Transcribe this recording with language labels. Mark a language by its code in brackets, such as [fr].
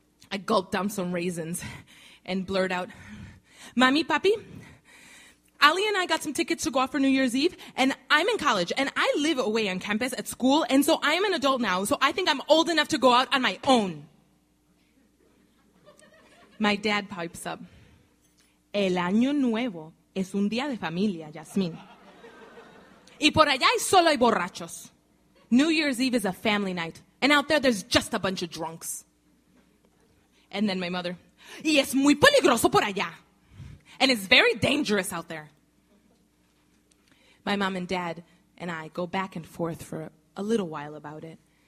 [en] I gulp down some raisins and blurt out, Mommy, Papi, Ali and I got some tickets to go out for New Year's Eve, and I'm in college, and I live away on campus at school, and so I'm an adult now, so I think I'm old enough to go out on my own. My dad pipes up. [es] El año nuevo es un día de familia, Yasmin. Y por allá solo hay borrachos. [en] New Year's Eve is a family night, and out there there's just a bunch of drunks. And then my mother. [es] Y es muy peligroso por allá. [en] And it's very dangerous out there. My mom and dad and I go back and forth for a little while about it.